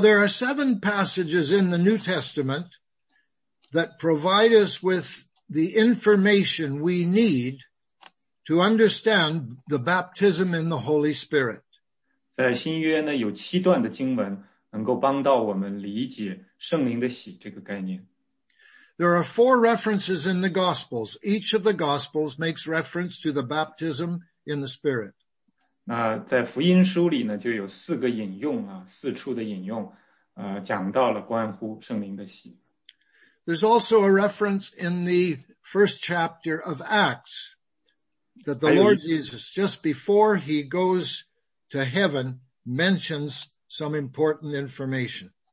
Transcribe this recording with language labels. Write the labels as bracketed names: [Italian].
[English] there are 7 passages in the New Testament that provide us with the information we need to understand the baptism in the Holy Spirit. [Chinese] 在新约呢，有七段的经文能够帮到我们理解圣灵的洗这个概念。 [English] There are 4 references in the Gospels. Each of the Gospels makes reference to the baptism in the Spirit. [Chinese] 那在福音书里呢，就有四个引用啊，四处的引用，讲到了关乎圣灵的洗。 [English] There's also a reference in the first chapter of Acts that the Lord Jesus, just before he goes to heaven, mentions some important information.